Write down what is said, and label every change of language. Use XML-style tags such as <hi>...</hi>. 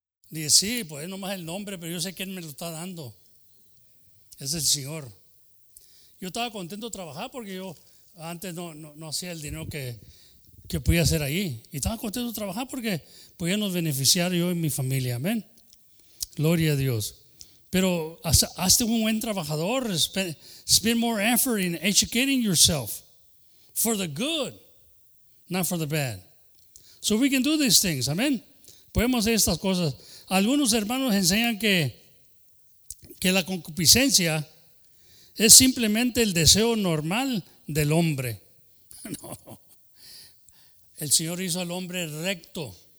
<es>Dice, sí, pues es nomás el nombre, pero yo sé quién me lo está dando. Es el Señor. Yo estaba contento de trabajar porque yo antes no hacía el dinero que podía hacer ahí. Y estaba contento de trabajar porque podíamos beneficiar yo y mi familia. Amén. Gloria a Dios. Pero hazte un buen trabajador.</es> <en>Spend more effort in educating yourself for the good, not for the bad. So we can do these things. Amén.</en> <es>Podemos hacer estas cosas. Algunos hermanos enseñan que la concupiscencia es simplemente el deseo normal del hombre. No. El Señor hizo al hombre recto.</es>